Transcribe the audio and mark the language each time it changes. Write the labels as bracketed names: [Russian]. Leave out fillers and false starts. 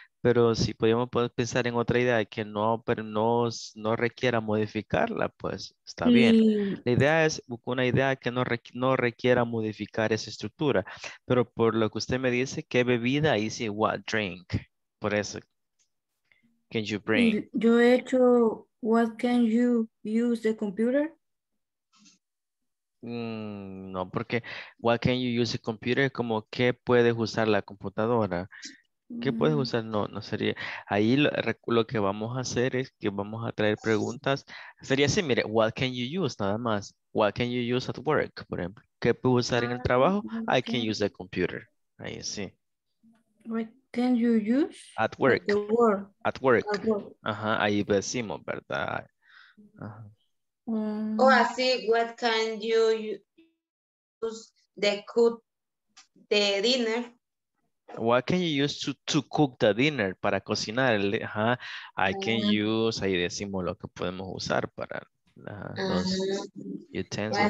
[Spanish] Pero si podemos pensar en otra idea que no requiera modificarla, pues está bien. La idea es una idea que no requiera modificar esa estructura. Pero por lo que usted me dice, ¿qué bebida? Y dice [English] what drink. [Spanish] Por eso. [English] Can you bring? [Spanish] Yo he hecho, [English] what can you use the computer? [Spanish] No, porque [English] what can you use the computer [Spanish] es como que puedes usar la computadora. ¿Qué puedes usar? No sería. Ahí lo que vamos a hacer es que vamos a traer preguntas. Sería así, mire, [English] what can you use? [Spanish] Nada más. [English] What can you use at work? [Spanish] Por ejemplo, ¿qué puedo usar en el trabajo? [English] Okay. I can use the computer. [Spanish] Ahí sí. [English] What can you use? At work. [Spanish] Ajá, ahí decimos, ¿verdad? [English] Así, what can you use the dinner? What can you use to cook the dinner? [Spanish] Para cocinar, ajá. [English] I can use, [Spanish] ahí decimos lo que podemos usar para los utensils.